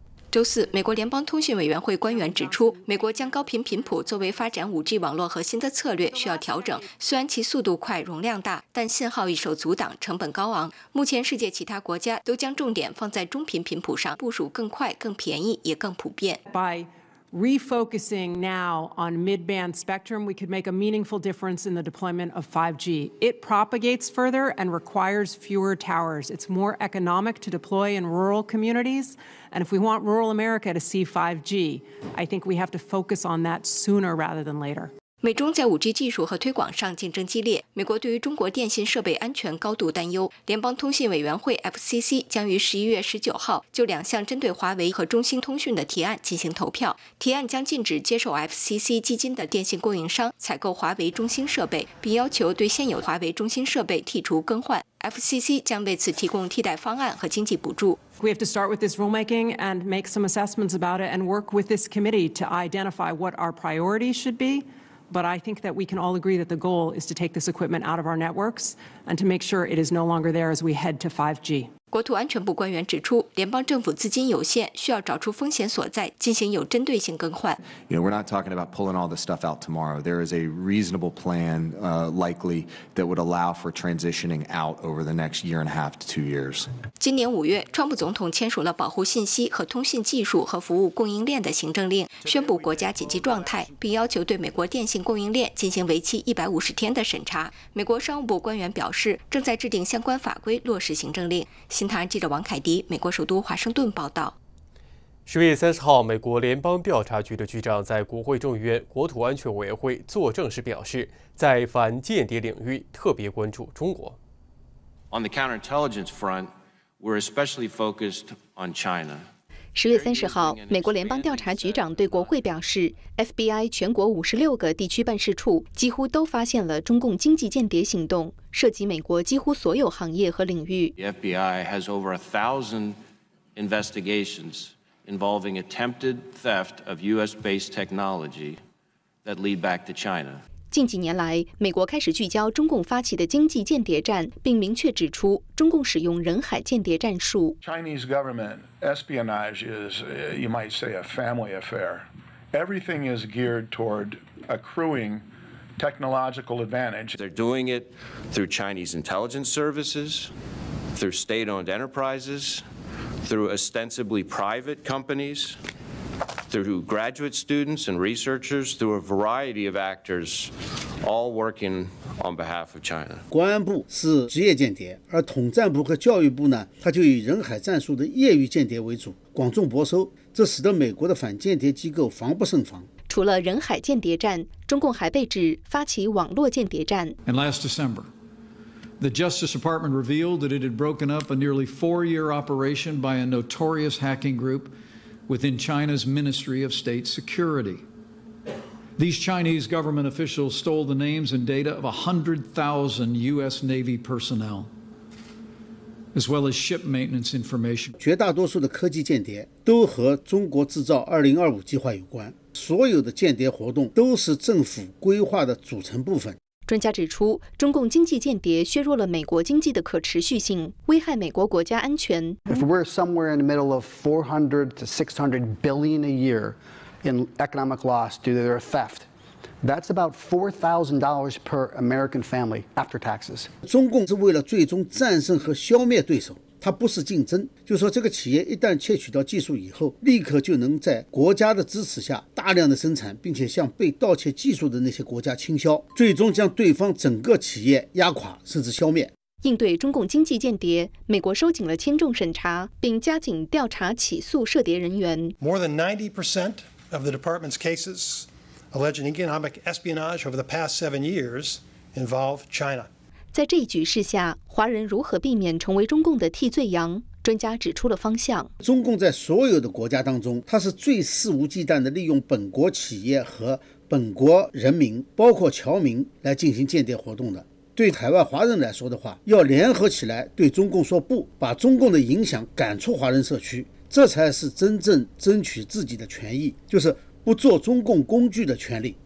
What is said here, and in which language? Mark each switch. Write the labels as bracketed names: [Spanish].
[Chinese] 周四，美国联邦通讯委员会官员指出，美国将高频频谱作为发展 5G 网络核心的策略需要调整。虽然其速度快、容量大，但信号易受阻挡、成本高昂。目前，世界其他国家都将重点放在中频频谱上，部署更快、更便宜、也更普遍。 [English] By refocusing now on mid-band spectrum, we could make a meaningful difference in the deployment of 5G. It propagates further and requires fewer towers. It's more economic to deploy in rural communities. And if we want rural America to see 5G, I think we have to focus on that sooner rather than later. [Chinese] 美中在 5G 技术和推广上竞争激烈，美国对于中国电信设备安全高度担忧。联邦通信委员会 FCC 将于11月19号就两项针对华为和中兴通讯的提案进行投票。提案将禁止接受 FCC 基金的电信供应商采购华为、中兴设备，并要求对现有华为、中兴设备剔除更换。 FCC 将为此提供替代方案和经济补助。 [English] We have to start with this rulemaking and make some assessments about it and work with this committee to identify what our priorities should be. But I think that we can all agree that the goal is to take this equipment out of our networks and to make sure it is no longer there as we head to 5G. [Chinese] 国土安全部官员指出，联邦政府资金有限，需要找出风险所在，进行有针对性更换。 [English] You know, we're not talking about pulling all this stuff out tomorrow. There is a reasonable plan, likely, that would allow for transitioning out over the next year and a half to 2 years. [Chinese] 今年5月，川普总统签署了保护信息和通信技术和服务供应链的行政令，宣布国家紧急状态，并要求对美国电信供应链进行为期150天的审查。美国商务部官员表示，正在制定相关法规落实行政令。新唐人记者王凯迪，美国首都华盛顿报道。 10月30号，美国联邦调查局的局长在国会众议院国土安全委员会作证时表示，在反间谍领域特别关注中国。 [English] On the counterintelligence front, we're especially focused on China. [Chinese] 10月30号，美国联邦调查局长对国会表示 ，FBI 全国56个地区办事处几乎都发现了中共经济间谍行动，涉及美国几乎所有行业和领域。 [English] The FBI has over 1,000 investigations involving attempted theft of U.S.-based technology that lead back to China. [Chinese] 近几年来，美国开始聚焦中共发起的经济间谍战，并明确指出中共使用人海间谍战术。 [English] Chinese government espionage is, you might say, a family affair. Everything is geared toward accruing technological advantage. They're doing it through Chinese intelligence services, through state-owned enterprises, through ostensibly private companies. Through graduate students and researchers, through a variety of actors, all working on behalf of China. [Chinese] 国安部是职业间谍，而统战部和教育部呢，它就以人海战术的业余间谍为主，广种薄收，这使得美国的反间谍机构防不胜防。除了人海间谍战，中共还被指发起网络间谍战。 [English] And last December, the Justice Department revealed that it had broken up a nearly four-year operation by a notorious hacking group. Within China's Ministry of State Security. These Chinese government officials stole the names and data of 100,000 U.S. Navy personnel, as well as ship maintenance information. [Chinese] 绝大多数的科技间谍都和中国制造2025计划有关。所有的间谍活动都是政府规划的组成部分。专家指出，中共经济间谍削弱了美国经济的可持续性，危害美国国家安全。 [English] If we're somewhere in the middle of 400 to 600 billion a year in economic loss due to their theft, that's about $4,000 per American family after taxes. [Chinese] 中共是为了最终战胜和消灭对手，它不是竞争。就说这个企业一旦窃取到技术以后，立刻就能在国家的支持下大量的生产，并且向被盗窃技术的那些国家倾销，最终将对方整个企业压垮甚至消灭。应对中共经济间谍，美国收紧了签证审查，并加紧调查起诉涉谍人员。 [English] More than 90% of the department's cases alleging economic espionage over the past 7 years involve China. [Chinese] 在这一局势下，华人如何避免成为中共的替罪羊？专家指出了方向。中共在所有的国家当中，它是最肆无忌惮地利用本国企业和本国人民，包括侨民，来进行间谍活动的。对海外华人来说的话，要联合起来对中共说不，把中共的影响赶出华人社区，这才是真正争取自己的权益，就是不做中共工具的权利。